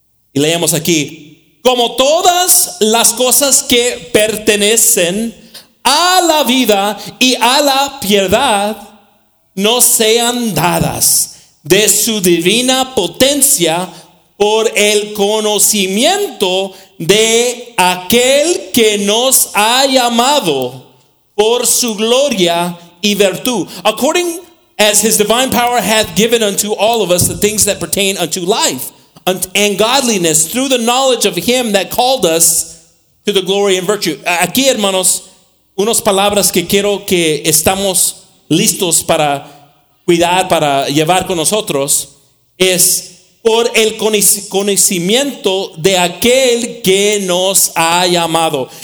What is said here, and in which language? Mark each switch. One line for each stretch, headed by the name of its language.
Spanish: Y leemos aquí, como todas las cosas que pertenecen a la vida y a la piedad nos sean dadas de su divina potencia por el conocimiento de aquel que nos ha llamado por su gloria y virtud.
English: According as his divine power hath given unto all of us the things that pertain unto life and godliness through the knowledge of him that called us to the glory and virtue.
Spanish: Aquí, hermanos, unas palabras que quiero que estamos listos para cuidar, para llevar con nosotros, es por el conocimiento de aquel que nos ha llamado.